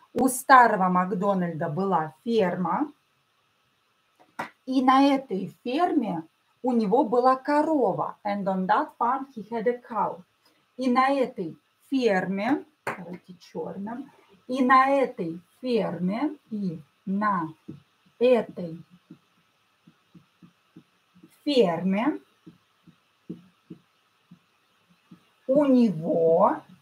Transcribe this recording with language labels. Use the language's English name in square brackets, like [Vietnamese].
[Russian] У старого Макдональда была ферма. И на этой ферме у него была корова. [English] And on that farm he had a cow. [Russian] И на этой ферме, давайте черным. И на этой ферме, и на этой ферме у него...